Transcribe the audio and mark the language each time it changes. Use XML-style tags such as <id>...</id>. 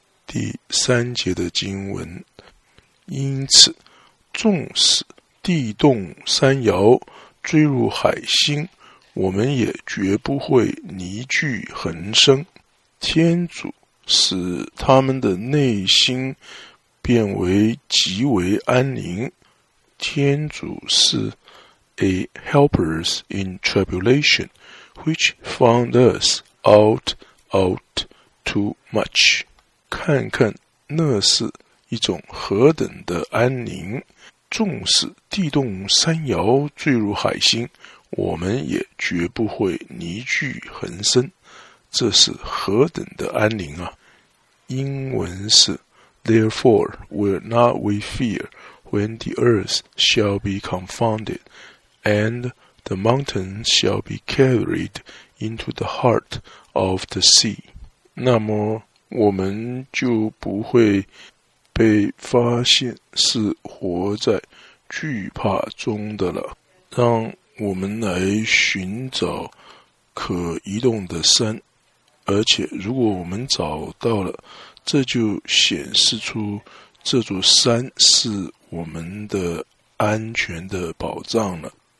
<zh>第三节的经文。因此，纵使地动山摇，坠入海星，我们也绝不会泥聚横生。天主使他们的内心变为极为安宁。天主是</zh> <en>a helpers in tribulation, which found us out too much.</en> <zh>看看那是一种何等的安宁，纵使地动山摇，坠入海心，我们也绝不会泥聚横生。这是何等的安宁啊！英文是</zh> <en>Therefore will not we fear when the earth shall be confounded, and the mountain shall be carried into the heart of the sea.</en> <zh>那么我们就不会被发现是活在惧怕中的了。让我们来寻找可移动的山，而且如果我们找到了，这就显示出这座山是我们的安全的保障了。</zh>